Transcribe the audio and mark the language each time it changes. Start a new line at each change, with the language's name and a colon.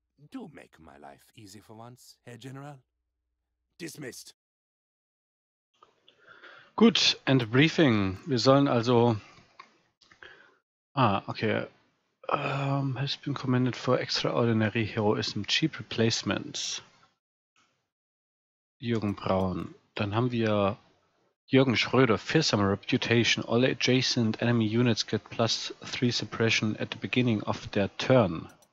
English: Do make my life easy for once, Herr General. Dismissed.
German: Gut,
English: and briefing.
German: Wir sollen also... okay.
English: Has been commended for extraordinary heroism. Cheap replacements. Jürgen Braun.
German: Dann haben wir Jürgen Schröder.
English: Fearsome reputation. All adjacent enemy units get +3 suppression at the beginning of their turn.